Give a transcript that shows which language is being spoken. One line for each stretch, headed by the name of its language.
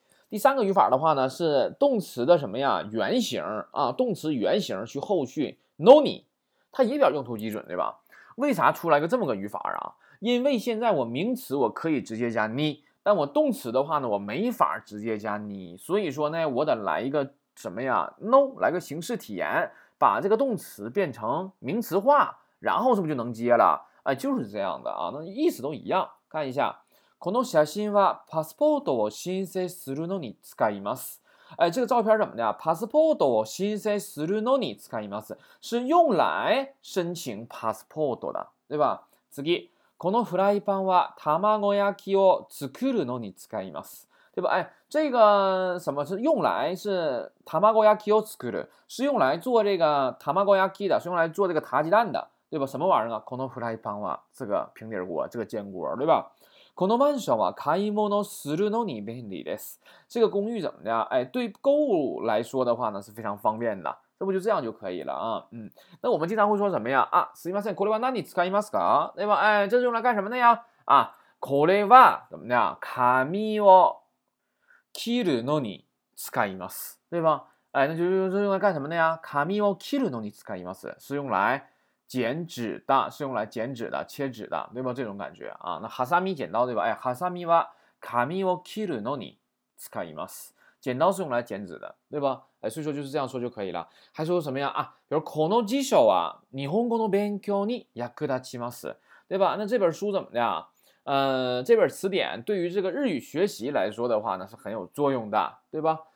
Chinese: 第三个语法的话呢是动词的什么呀，原型啊，动词原型去后续 noni， 它也表用途基准，对吧，为啥出来个这么个语法啊，因为现在我名词我可以直接加ni，但我动词的话呢我没法直接加你，所以说呢我得来一个什么呀 no， 来个形式体验，把这个动词变成名词化，然后是不是就能接了，哎就是这样的啊，那意思都一样。
Japanese: 看一下，この写真はパスポートを申請するのに使います，
Chinese: 哎这个照片怎么的呀，
Japanese: パスポートを申請するのに使います，
Chinese: 是用来申请パスポート的，对吧。
Japanese: 次，このフライパンは卵焼きを作るのに使います，
Chinese: 对吧，哎这个什么是用来是 tamagoyaki を作る，是用来做这个 tamagoyaki 的，是用来做这个塔鸡蛋的，对吧？什么玩意儿啊？
Japanese: このフライパンは，
Chinese: 这个平底锅，这个煎锅，对吧？
Japanese: このマンションは買い物するのに便利です。
Chinese: 这个公寓怎么的？哎，对购物来说的话呢，是非常方便的。这不就这样就可以了啊？嗯，那我们经常会说什么呀？
Japanese: 啊，すみません、これは何に使いますか？
Chinese: 对吧？哎，这是用来干什么的呀？啊，
Japanese: これは
Chinese: 怎么的？
Japanese: 紙を切るのに使います，
Chinese: 对吧？哎，那就是用来干什么的呀？
Japanese: 紙を切るのに使います，
Chinese: 是用来剪纸的，是用来剪纸的，切纸的，对吧？这种感觉啊，那ハサミ剪刀，对吧？哎，
Japanese: ハサミは紙を切るのに使います。
Chinese: 剪刀是用来剪纸的，对吧？哎，所以说就是这样说就可以了。还说什么呀？啊，比如
Japanese: この辞書は日本語の勉強に役立ちます，
Chinese: 对吧？那这本书怎么的？这本词典对于这个日语学习来说的话呢，是很有作用的，对吧？